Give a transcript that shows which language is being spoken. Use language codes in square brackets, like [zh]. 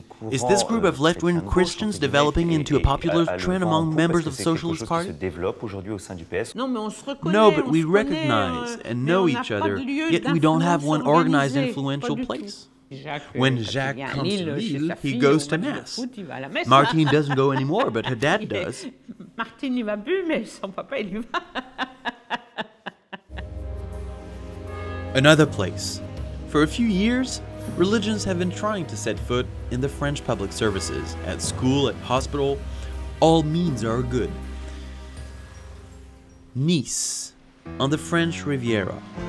[en] Is this group of left-wing Christians developing into a popular trend among members of the Socialist Party? No, but we recognize and know each other, yet we don't have one organized influential place. When Jacques comes to Lille, he goes to Mass. Martine doesn't go anymore, but her dad does. [fr] Martine n'y va plus, mais son papa y va. [en] Another place. For a few years, religions have been trying to set foot in the French public services, at school, at hospital. All means are good. Nice, on the French Riviera.